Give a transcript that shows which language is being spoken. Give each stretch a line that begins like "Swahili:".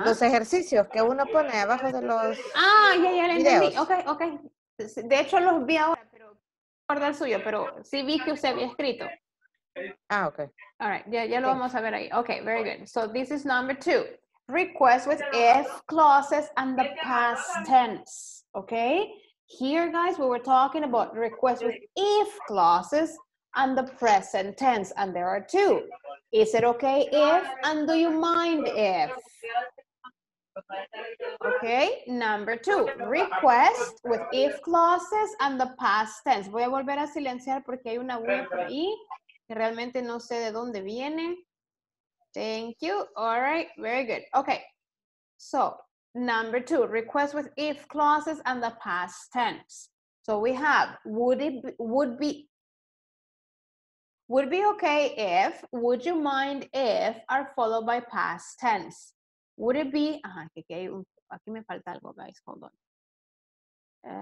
Spanish: Los ejercicios que uno pone abajo de los ya lo entendí. Okay. De hecho los vi ahora, pero guardé el suyo, pero sí vi que usted había escrito.
English: Ah, okay. All right,
Spanish: ya lo vamos a ver ahí.
English: Okay, very good. So this is number two. Request with if clauses and the past tense, okay? Here, guys, we were talking about requests with if clauses and the present tense, and there are two. Is it okay if, and do you mind if? Okay, number two, request with if clauses and the past tense.
Spanish: Voy a volver a silenciar porque hay una web ahí que realmente no sé de dónde viene.
English: Thank you. All right, very good. Okay, so. Number two, request with if clauses and the past tense. So we have would be okay if, would you mind if, are followed by past tense. Would it be,
Spanish: aquí me falta algo,
English: guys, hold on.